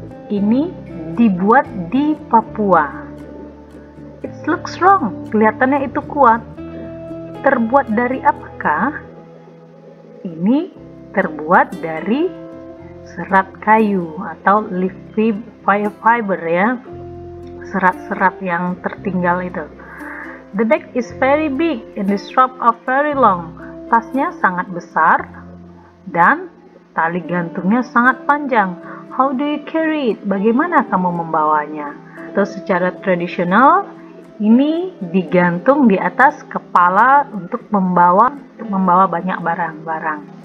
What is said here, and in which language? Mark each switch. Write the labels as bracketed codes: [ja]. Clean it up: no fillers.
[id] Ini dibuat di Papua. [en] It looks strong. [id] Kelihatannya itu kuat. Terbuat dari apakah? Ini terbuat dari serat kayu atau [en] leaf fiber [id] ya, serat-serat yang tertinggal itu. [en] The bag is very big and the straps are very long. [id] Tasnya sangat besar dan tali gantungnya sangat panjang. [en] How do you carry it? [id] Bagaimana kamu membawanya? Terus secara tradisional ini digantung di atas kepala untuk membawa banyak barang-barang.